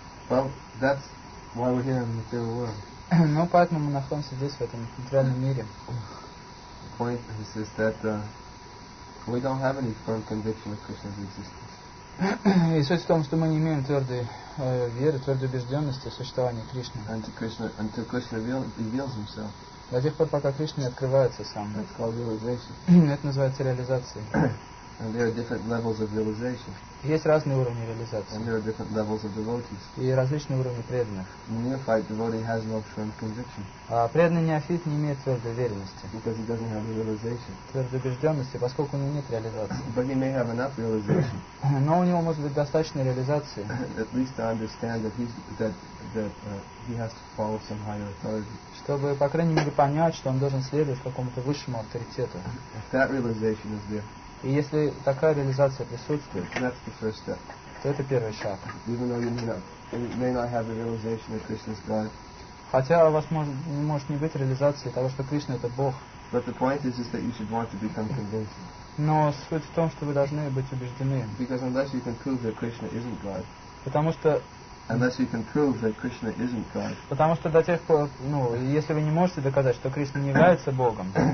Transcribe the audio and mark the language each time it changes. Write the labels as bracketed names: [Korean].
[English] Well, that's why we're here in the material world. [Russian] Ну, поэтому мы находимся здесь, в этом материальном мире. [English] The point is, that we don't have any firm conviction of Krishna's existence. [Russian] И суть в том, что мы не имеем твердой веры, твердой убежденности в существовании Кришны. [English] Until Krishna reveals himself. [Russian] До тех пор, пока Кришна не открывается сам. [English] That's called realization. [Russian] Это называется реализацией. [English] And there are different levels of realization. [Russian] Есть разные уровни реализации. [English] And there are different levels of devotees. [Russian] И различные уровни преданных. [English] Neophyte devotee has no firm conviction. [Russian] А преданный неофит не имеет твердой уверенности. [English] Because he doesn't have realization. [Russian] Твердой убежденности, поскольку у него нет реализации. [English] But he may have enough realization. [Russian] Но у него может быть достаточно реализации. [English] At least to understand that he has to follow some higher authority. [Russian] Чтобы по крайней мере понять, что он должен следовать какому-то высшему авторитету. [English] If that realization is there. [Russian] И если такая реализация присутствует, [English] that's the first step. [Russian] То это первый шаг. [English] Even though you may not have a realization that Krishna's God. [Russian] Хотя у вас может не быть реализации того, что Кришна это Бог. [English] But the point is that you should want to become convinced. [Russian] Но суть в том, что вы должны быть убеждены. [English] Because unless you can prove that Krishna isn't God. [Russian] Потому что [English] unless you can prove that Krishna isn't God. [Russian] Потому что до тех пор, ну, если вы не можете доказать, что Кришна не является Богом,